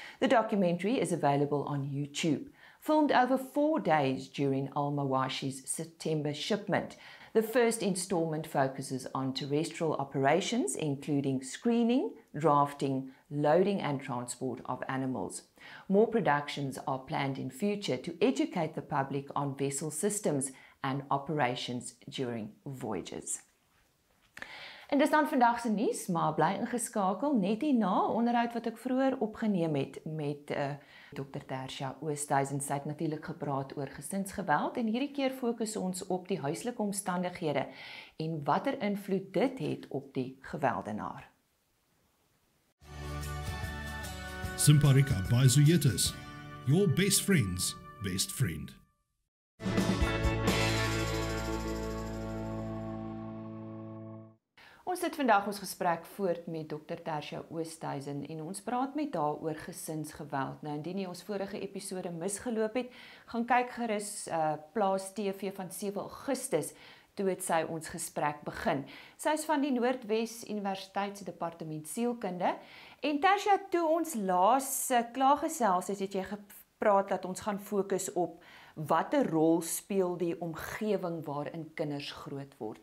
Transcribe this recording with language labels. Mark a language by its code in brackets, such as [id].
[en] The documentary is available on YouTube. Filmed over 4 days during Almawashi's September shipment, the first installment focuses on terrestrial operations, including screening, drafting, loading and transport of animals. More productions are planned in future to educate the public on vessel systems and operations during voyages. [af] En dis dan vandag se nuus, maar bly ingeskakel net hierna onderhoud wat ek vroeër opgeneem het met Dr. Tersha Oosthuizen. Sy het natuurlik gepraat oor gesinsgeweld en hierdie keer fokus ons op die huislike omstandighede en watter invloed dit het op die geweldenaar. [en] Simparica by Zoetis. Your best friend's best friend. [af] Ons het vandag ons gesprek voort met Dr. Tersha Oosthuizen en ons praat met haar oor gesinsgeweld. Nou, indien jy ons vorige episode misgeloop het, gaan kyk gerus Plaas TV van 7 Augustus toe het sy ons gesprek begin. Sy is van die Noordwes Universiteitsdepartement Sielkunde en Tersha, toe ons laas klaargesels het jy gepraat dat ons gaan fokus op watter rol speel die omgewing waarin kinders groot word.